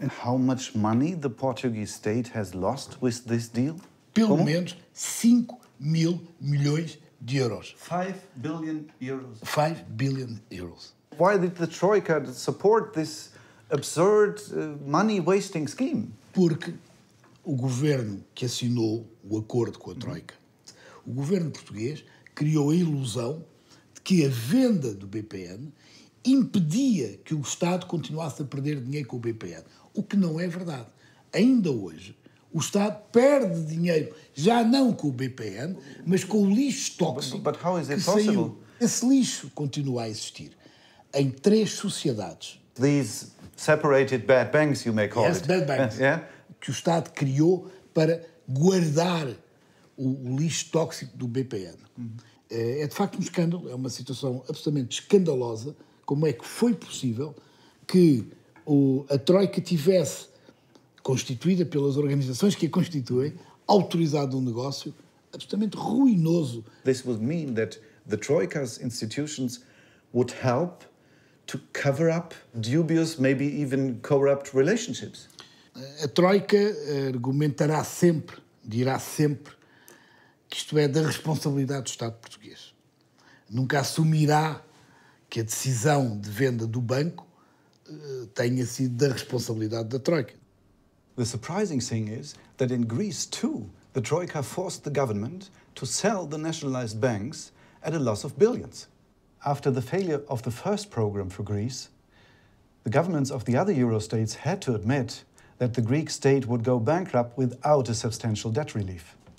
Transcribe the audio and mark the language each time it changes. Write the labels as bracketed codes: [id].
[en] And how much money the Portuguese state has lost with this deal? [pt] Pelo menos 5 mil milhões de euros. [en] 5 billion euros. 5 billion euros. Why did the Troika support this absurd money-wasting scheme? [pt] Porque o governo que assinou o acordo com a Troika, o governo português criou a ilusão de que a venda do BPN impedia que o Estado continuasse a perder dinheiro com o BPN, o que não é verdade. Ainda hoje, o Estado perde dinheiro, já não com o BPN, mas com o lixo tóxico. [en] But how is it possible? [pt] Esse lixo continua a existir em três sociedades. [en] These separated bad banks, you may call it. Yes, bad banks. [pt] Que o Estado criou para guardar o lixo tóxico do BPN. É de facto um escândalo, é uma situação absolutamente escandalosa. Como é que foi possível que a Troika tivesse, constituída pelas organizações que a constituem, autorizado um negócio absolutamente ruinoso? [en] This would mean that the Troika's institutions would help to cover up dubious, maybe even corrupt relationships. [pt] A Troika argumentará sempre, dirá sempre, que isto é da responsabilidade do Estado português. Nunca assumirá que a decisão de venda do banco tenha sido da responsabilidade da Troika. [en] The surprising thing is that in Greece too, the Troika forced the government to sell the nationalized banks at a loss of billions. After the failure of the first program for Greece, the governments of the other euro states had to admit that the Greek state would go bankrupt without a substantial debt relief.